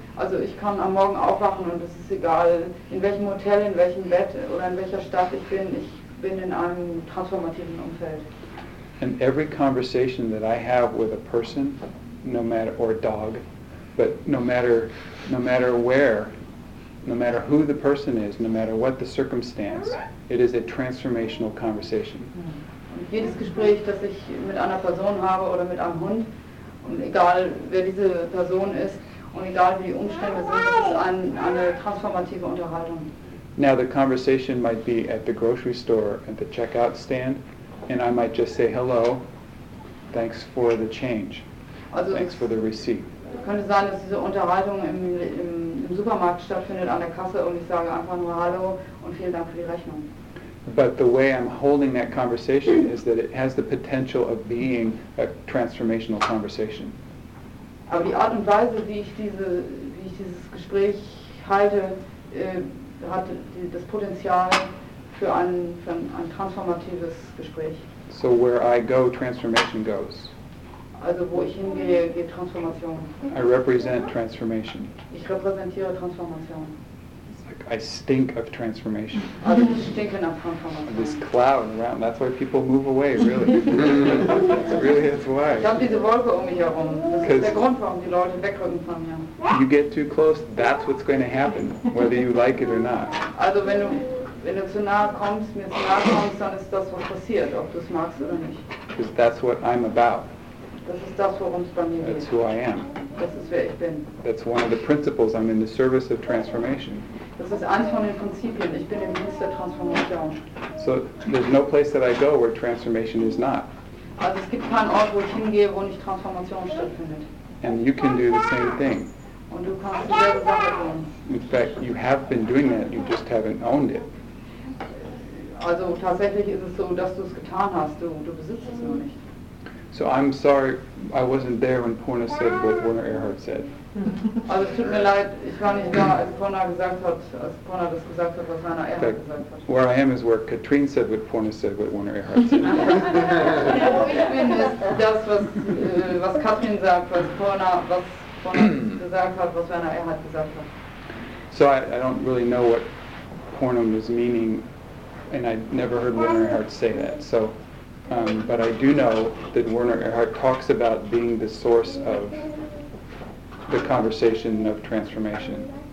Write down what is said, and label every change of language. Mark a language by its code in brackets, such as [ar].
[de] Also ich kann am Morgen aufwachen und es ist egal, in welchem Hotel, in welchem Bett oder in welcher Stadt ich bin in einem transformativen Umfeld. [en] And every conversation that I have with a person, no matter, or a dog, but no matter where, no matter who the person is, no matter what the circumstance, it is a transformational conversation. [de] Und jedes Gespräch, das ich mit einer Person habe oder mit einem Hund, und egal wer diese Person ist, und egal wie die Umstände sind, es ist eine transformative Unterhaltung. [en] Now the conversation might be at the grocery store, at the checkout stand, and I might just say hello, thanks for the change, thanks for the receipt. [de] Es könnte sein, dass diese Unterhaltung im Supermarkt stattfindet, an der Kasse, und ich sage einfach nur hallo und vielen Dank für die Rechnung. [en] But the way I'm holding that conversation is that it has the potential of being a transformational conversation. [de] Aber die Art und Weise, wie ich dieses Gespräch halte, hat das Potenzial für ein transformatives Gespräch. [en] So where I go, transformation goes. [de] Also wo ich hingehe, geht Transformation. [en] I represent transformation. [de] Ich repräsentiere Transformation. [en] I stink of transformation. [de] Also ich stinke nach Transformation. [en] This cloud around, that's why people move away, really. Really, that's why. [de] Ich habe diese Wolke um mich herum. Das ist der Grund, warum die Leute wegrücken von mir. [en] You get too close, that's what's going to happen, whether you like it or not. [de] Also wenn du zu nahe kommst, mir zu nahe kommst, dann ist das, was passiert, ob du es magst oder nicht. [en] Because that's what I'm about. [de] Das ist das, worum es bei mir geht. [en] That's who I am. [de] Das ist, wer ich bin. [en] That's one of the principles. I'm in the service of transformation. [de] Das ist eines von den Prinzipien. Ich bin im Dienst der Transformation. [en] So there's no place that I go where transformation is not. [de] Also es gibt keinen Ort, wo ich hingehe, wo nicht Transformation stattfindet. [en] And you can do the same thing. [de] Und du kannst die selbe Sache tun. [en] In fact, you have been doing that, you just haven't owned it. [de] Also tatsächlich ist es so, dass du es getan hast, du besitzt es nur nicht. [en] So I'm sorry, I wasn't there when Purna said what Werner Erhard said. [de] Also es tut mir leid, ich war nicht da, als Purna das gesagt hat, was Werner Erhard gesagt hat. [en] Where I am is where Katrin said what Purna said, what Werner Erhard said. [de] Wo ich bin, ist das, was Katrin sagt, was Purna gesagt hat, was Werner Erhard gesagt hat. [en] So I don't really know what Purna was meaning, and I never heard Werner Erhard say that, so... but I do know that Werner Erhard talks about being the source of the conversation of transformation.